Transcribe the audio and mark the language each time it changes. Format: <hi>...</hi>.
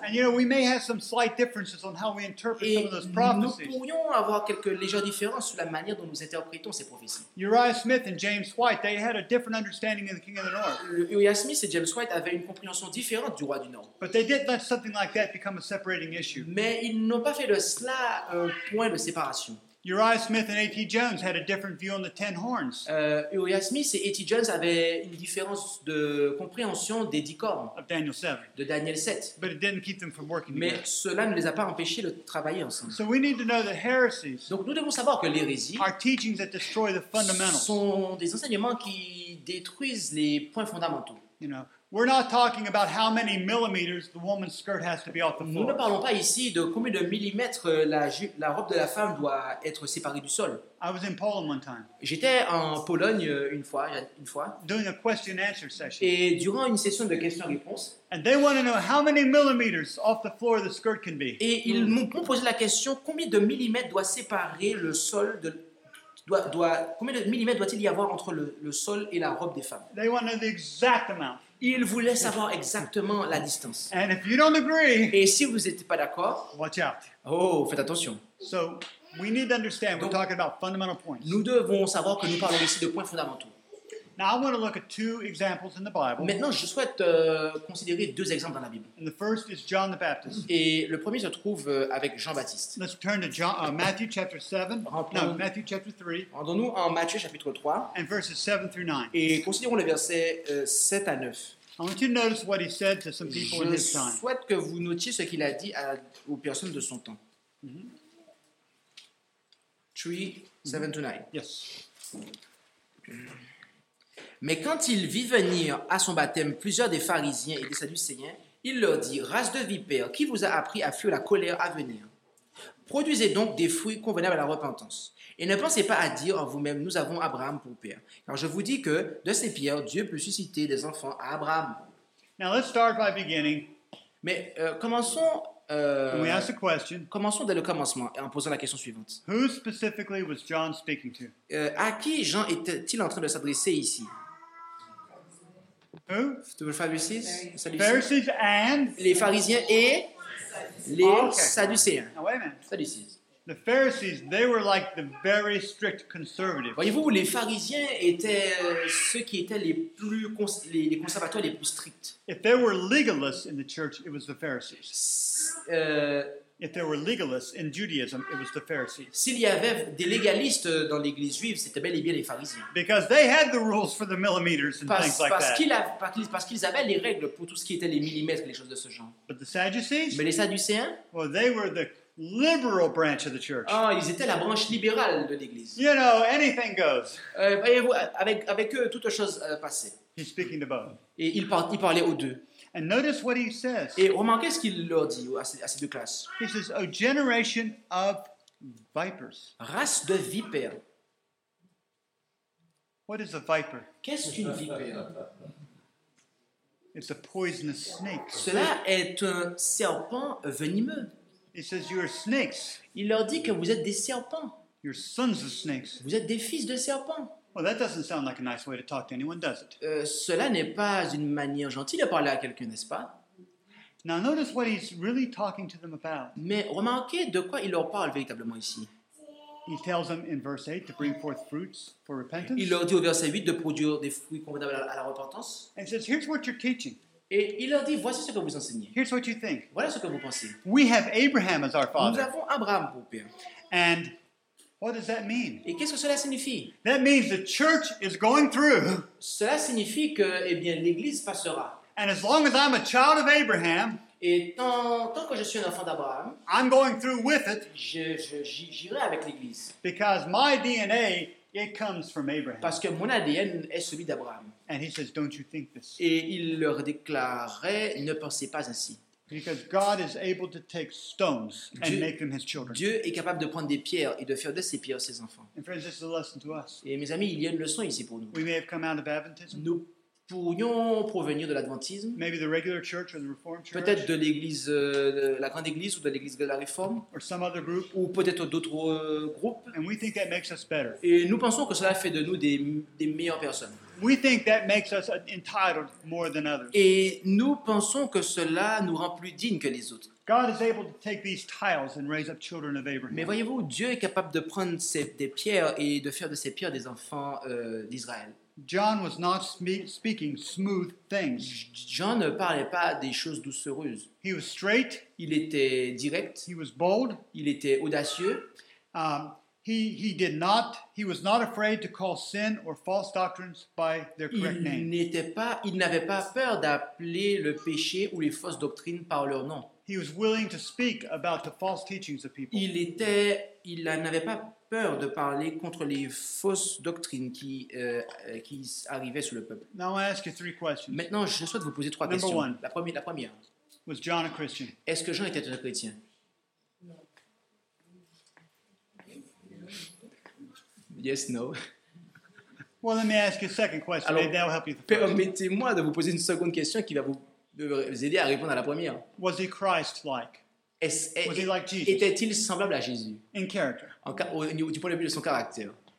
<en>And you know, we may have some slight differences on how we interpret</en> <fr>Et</fr> <en>some of those prophecies.</en> <fr>Nous pourrions avoir quelques légères différences sur la manière dont nous interprétons ces prophéties.</fr> <en>Uriah Smith and James White, they had a different understanding of the King of the North.</en> <fr>Uriah Smith et James White avaient une compréhension différente du roi du Nord.</fr> <en>But they didn't let something like that become a separating issue.</en> <fr>Mais ils n'ont pas fait de cela un point de séparation.</fr> <en>Uriah Smith and A.T. Jones had a different view on the ten horns.</en> <fr>Uriah Smith et A.T. Jones avaient une différence de compréhension des dix cornes.</fr> <en>Of Daniel 7.</en> <fr>De Daniel 7.</fr> <en>But it didn't keep them from working</en> <fr>Mais</fr> <en>together.</en> <fr>Mais cela ne les a pas empêchés de travailler ensemble.</fr> <en>So we need to know that heresies.</en> <fr>Donc nous devons savoir que l'hérésie.</fr> <en>Are teachings that destroy the fundamentals.</en> <fr>Sont des enseignements qui détruisent les points fondamentaux.</fr> <en>You know. We're not talking about how many millimeters the woman's skirt has to be off the floor.</en> <fr>Nous ne parlons pas ici de combien de millimètres la robe de la femme doit être séparée du sol.</fr> <en>I was in Poland one time.</en> <fr>J'étais en Pologne une fois.</fr> <en>During a question-answer session.</en> <fr>Et durant une session de questions-réponses.</fr> <en>And they want to know how many millimeters off the floor the skirt can be.</en> <fr>Et ils m'ont posé la question combien de millimètres doit séparer le sol de combien de millimètres doit-il y avoir entre le sol et la robe des femmes.</fr> <en>They want to know the exact amount.</en> <fr>Il voulait savoir exactement la distance.</fr> <en>And if you don't agree,</en> <fr>et si vous n'êtes pas d'accord,</fr> <en>watch out.</en> <fr>Oh, faites attention.</fr> <en>So, we need to understand we're talking about fundamental points.</en> <fr>Nous devons savoir que nous parlons ici de points fondamentaux.</fr> <en>Now I want to look at two examples in the Bible.</en> <fr>Maintenant, je souhaite considérer deux exemples dans la Bible.</fr> <en>And the first is John the Baptist.</en> <fr>Et le premier se trouve avec Jean-Baptiste.</fr> <en>Let's turn to Matthew chapter 7. Matthew chapter 3.</en> <fr>Rendons-nous en Matthieu chapitre 3.</fr> <en>And verses 7 through 9.</en> <fr>Et considérons les versets 7 à 9.</fr> <en>I want you to notice what he said to some people</en> <fr>je</fr> <en>in his</en> <fr>souhaite</fr> <en>time.</en> <fr>Souhaite que vous notiez ce qu'il a dit aux personnes de son temps.</fr> <en>3, 7 to 9. Yes.</en> <fr>Mais quand il vit venir à son baptême plusieurs des pharisiens et des sadducéens, il leur dit, « Race de vipères, qui vous a appris à fuir la colère à venir ? Produisez donc des fruits convenables à la repentance. Et ne pensez pas à dire en vous-même, nous avons Abraham pour père. Car je vous dis que, de ces pierres, Dieu peut susciter des enfants à Abraham. »</fr> <en>Now let's start by beginning.</en> <fr>Mais commençons...</fr> <en>we ask a question.</en> <fr>Commençons dès le commencement en posant la question suivante.</fr> <en>Who specifically was John speaking to?</en> <fr>À qui Jean était-il en train de s'adresser ici?</fr> <en>Who? The Pharisees. Pharisees and</en> <fr>les Pharisiens et les Sadducéens.</fr> <en>Now wait a minute.</en> <fr>Sadducéens.</fr> <en>The Pharisees, they were like the very strict conservatives.</en> <fr>Voyez-vous, les Pharisiens étaient ceux qui étaient les conservateurs les plus stricts.</fr> <en>If there were legalists in the church, it was the Pharisees. If there were legalists in Judaism, it was the Pharisees.</en> <fr>S'il y avait des légalistes dans l'Église juive, c'était bel et bien les Pharisiens.</fr> <en>Because they had the rules for the millimeters and things like that.</en> <fr>Parce qu'ils avaient les règles pour tout ce qui était les millimètres, les choses de ce genre.</fr> <en>But the Sadducees?</en> <fr>Mais les Sadducéens?</fr> <en>Well, they were the liberal branch of the church.</en> <fr>Ah, ils étaient la branche libérale de l'Église.</fr> <en>You know, anything goes.</en> <fr>Voyez-vous, avec eux, toute chose passait.</fr> <en>He's speaking to both.</en> <fr>Et il parlait aux deux.</fr> <en>And notice what he says.</en> <fr>Et remarquez ce qu'il leur dit à ces deux classes.</fr> <en>He says, "O generation of vipers."</en> <fr>Race de vipères.</fr> <en>What is a viper?</en> <fr>Qu'est-ce qu'une vipère?</fr> <en>It's a poisonous snake.</en> <fr>Cela est un serpent venimeux.</fr> <en>He says you are snakes.</en> <fr>Il leur dit que vous êtes des serpents.</fr> <en>You're sons of snakes.</en> <fr>Vous êtes des fils de serpents.</fr> <en>Well, that doesn't sound like a nice way to talk to anyone, does it?</en> <fr>Cela n'est pas une manière gentille de parler à quelqu'un, n'est-ce pas?</fr> <en>Now notice what he's really talking to them about.</en> <fr>Mais remarquez de quoi il leur parle véritablement ici.</fr> <en>He tells them in verse 8 to bring forth fruits for repentance.</en> <fr>Il leur dit au verset 8 de produire des fruits convenables à la repentance.</fr> <en>And says here's what you're teaching.</en> <fr>Et il leur dit, voici ce que vous enseignez.</fr> <en>Here's what you think.</en> <fr>Voilà ce que vous pensez.</fr> <en>We have Abraham as our father.</en> <fr>Nous avons Abraham pour père.</fr> <en>And what does that mean?</en> <fr>Et qu'est-ce que cela signifie?</fr> <en>That means the church is going through.</en> <fr>Cela signifie que, eh bien, l'Église passera.</fr> <en>And as long as I'm a child of Abraham,</en> <fr>et tant que je suis un enfant d'Abraham,</fr> <en>I'm going through with it.</en> <fr>J'irai avec l'Église.</fr> <en>Because my DNA, it comes from Abraham.</en> <fr>Parce que mon ADN est celui d'Abraham.</fr> <en>And he says, "Don't you think this?"</en> <fr>Et il leur déclarait, ne pensez pas ainsi.</fr> <en>Because God is able to take stones and make them His children.</en> <fr>Dieu est capable de prendre des pierres et de faire de ces pierres ses enfants.</fr> <en>And friends, this is a lesson to us.</en> <fr>Et mes amis, il y a une leçon ici pour nous.</fr> <en>We may have come out of Adventism.</en> <fr>Nous pourrions provenir de l'Adventisme.</fr> <en>Maybe the regular church or the Reformed church.</en> <fr>Peut-être de l'Église, la grande Église ou de l'Église de la Réforme.</fr> <en>Or some other group.</en> <fr>Ou peut-être d'autres groupes.</fr> <en>And we think that makes us better.</en> <fr>Et nous pensons que cela fait de nous des meilleures personnes.</fr> <en>We think that makes us entitled more than others.</en> <fr>Et nous pensons que cela nous rend plus dignes que les autres.</fr> <en>God is able to take these tiles and raise up children of Abraham.</en> <fr>Mais voyez-vous, Dieu est capable de prendre des pierres et de faire de ces pierres des enfants d'Israël.</fr> <en>John was not speaking smooth things.</en> <fr>John ne parlait pas des choses doucereuses.</fr> <en>He was straight.</en> <fr>Il était direct.</fr> <en>He was bold.</en> <fr>Il était audacieux.</fr> <en>He was not afraid to call sin or false doctrines by their correct name.</en> <fr>Il n'avait pas peur d'appeler le péché ou les fausses doctrines par leur nom.</fr> <en>He was willing to speak about the false teachings of people.</en> <fr>Il n'avait pas peur de parler contre les fausses doctrines qui arrivaient sur le peuple.</fr> <en>Now I ask you three questions.</en> <fr>Maintenant, je souhaite vous poser trois</fr> <en>Number</en> <fr>questions.</fr> <en>One,</en> <fr>la première.</fr> <en>Was John a Christian?</en> <fr>Est-ce que Jean était un chrétien?</fr> <en>Yes, no. Well, let me ask you a second question. Alors, that will help you.</en> <fr>Permettez-moi de vous poser une seconde question qui va vous aider à répondre à la première.</fr> <en>Was he Christ-like? Was he like Jesus?</en> <fr>Était-il semblable à Jésus?</fr> <en>In character.</en> <fr>Du point de vue de son caractère.</fr>